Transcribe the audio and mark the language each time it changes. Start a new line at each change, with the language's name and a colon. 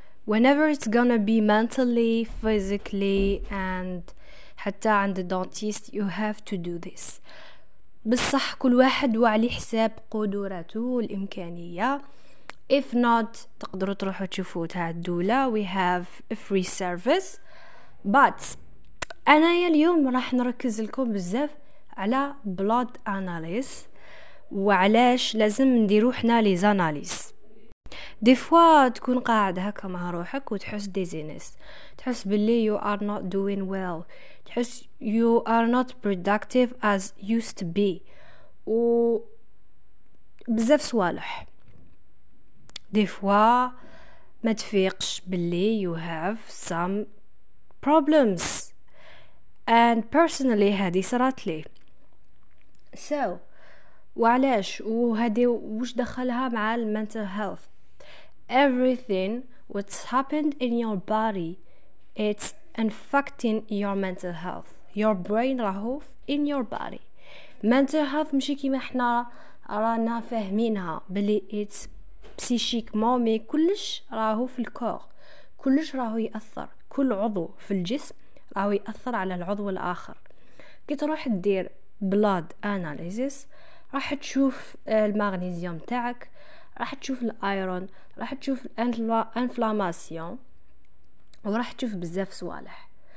English: Whenever it's gonna be mentally, physically, and
Arabic: حتى عند
English: dentist, you have to do this.
Arabic: بالصح كل واحد وعلي حساب قدراته الإمكانية.
English: If not,
Arabic: تقدروا تروحوا تشوفوا تاع الدولة.
English: We have a free service.
Arabic: But أنا اليوم راح نركز لكم بزاف على blood analysis وعلاش لازم نديرو حنا لي زاناليز. دي فوا تكون قاعد هكا مع روحك وتحس ديزينس, تحس باللي
English: you are not doing well,
Arabic: تحس
English: you are not productive as used to be,
Arabic: و بزاف صوالح. دي فوا ما تفيقش باللي
English: you have some problems, and personally
Arabic: هذه صارت لي. So وعلاش وهذه وش دخلها مع mental health.
English: Everything what's happened in your body it's infecting your mental health. Your brain
Arabic: راهوف
English: in your body.
Arabic: Mental health مشي كيما احنا رانا فاهمينها بلي
English: it's psychically
Arabic: مي كلش راهوف الكور, كلش راهو يأثر, كل عضو في الجسم راهو يأثر على العضو الآخر. كي تروح تدير blood analysis راح تشوف المغنيسيوم تاعك, راح تشوف الايرون, راح تشوف الانفلاماسيون, وراح تشوف بزاف سوالح.